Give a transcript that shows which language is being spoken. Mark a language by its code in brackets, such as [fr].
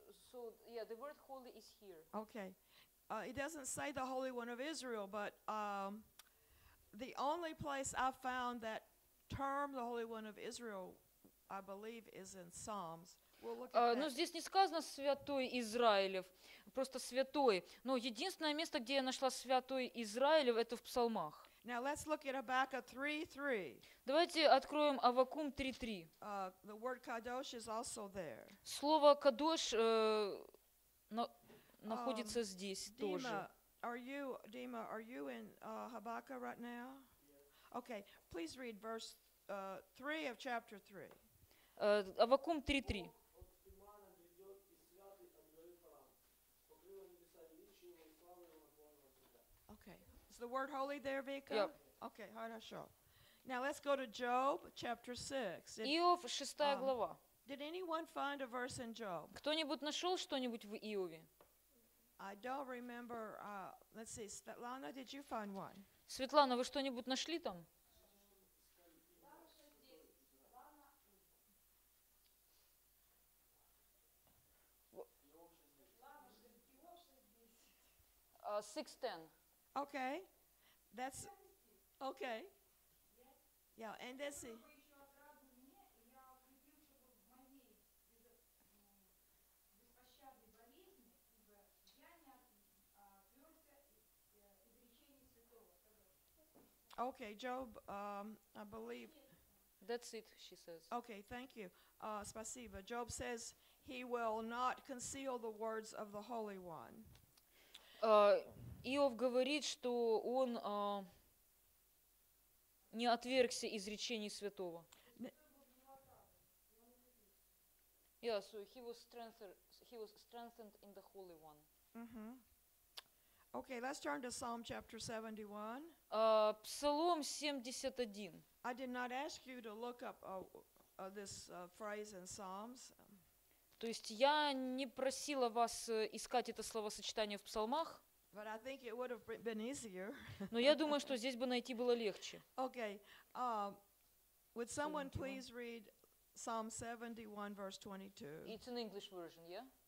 [en] So yeah, the word holy is here. Okay. It doesn't say the Holy One of Israel, but the only place I found that term, the Holy One of Israel, I believe is in Psalms. We'll look at that. [ru] Но здесь не сказано святой Израилев, просто святой. Но единственное место, где я нашла святой Израилев, это в Псалмах. [en] Now let's look at Habakkuk 3:3. [ru] Давайте откроем Аввакум 3:3. [en] The word Kadosh is also there. [ru] Слово Кадош находится здесь тоже. [en] Dima, are you in Habakkuk right now? Okay, please read verse 3 of chapter 3. [ru] Аввакум 3:3. [en] The word holy there, Vika? Yep. Okay, хорошо. Now let's go to Job chapter 6. [ru] Иов, 6 глава. [en] Did anyone find a verse in Job? [ru] Кто-нибудь нашел что-нибудь в Иове? [en] I don't remember. Let's see, Svetlana, did you find one? [ru] Светлана, вы что-нибудь нашли там? [en] Six ten. Okay, that's Okay. Yes. Yeah, and that's it. Okay, Job, I believe. That's it, she says. Okay, thank you. Спасибо. Job says he will not conceal the words of the Holy One. [ru] Иов говорит, что он не отвергся изречений святого. [en] Yeah, so he was strengthened in the Holy One. Mm-hmm. Okay, let's turn to Psalm chapter 71. [ru] Псалом 71. [en] I did not ask you to look up this phrase in Psalms. [ru] То есть я не просила вас искать это словосочетание в псалмах. [en] But I think it would have been easier. [ru] Но я думаю, что здесь бы найти было легче. [en] Okay. Would someone please read Psalm 71 verse 22? It's an English version, yeah?